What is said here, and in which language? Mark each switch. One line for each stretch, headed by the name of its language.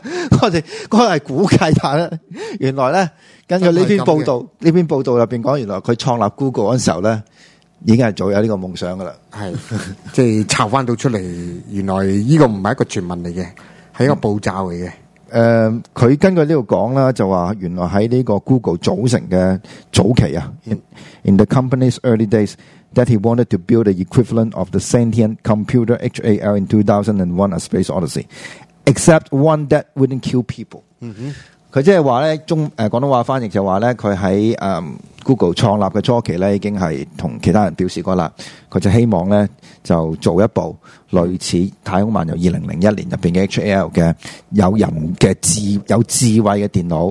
Cantonese: 我哋嗰個係估計，但係原來呢根據呢篇報道入面講，原來佢創立 Google 嗰時候呢已經係早有呢個夢想㗎啦。即係抄返到出嚟，原來呢個唔係一個傳聞嚟嘅，係一個步驟嚟嘅。佢根據呢度講啦，就話原來喺呢個 Google 組成嘅早期啊
English: ，in the company's early days that he wanted to build the equivalent of the sentient computer HAL in 2001 A Space Odyssey, except one that wouldn't kill people。
Cantonese: 佢即係話咧，廣東話翻譯就話咧，佢喺Google 創立嘅初期咧，已經係同其他人表示過啦，佢就希望咧就做一部類似太空漫遊2001年入面嘅 HAL 嘅有智慧嘅電腦，